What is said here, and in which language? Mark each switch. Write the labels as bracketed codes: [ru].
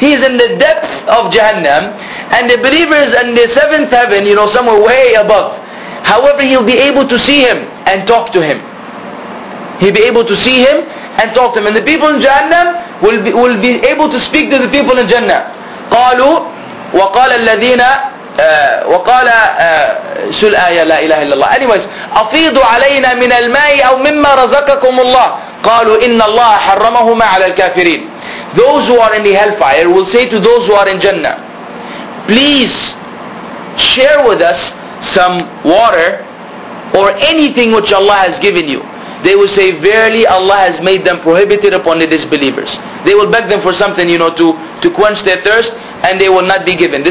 [en] He is in the depth of Jahannam, and the believer is in the seventh heaven, you know, somewhere way above. However, he'll be able to see him and talk to him. He'll be able to see him and talk to him. And the people in Jahannam will be able to speak to the people in Jannah. [ar] قالوا وقال الذين وقال شو الآية لا إله إلا الله. [en] Anyways, [ar] أفيض علينا من الماء أو مما رزقكم الله. قالوا إن الله حرمهما على الكافرين. [en] Those who are in the hellfire will say to those who are in Jannah, please share with us some water or anything which Allah has given you. They will say, verily Allah has made them prohibited upon the disbelievers. They will beg them for something, you know, to quench their thirst, and they will not be given.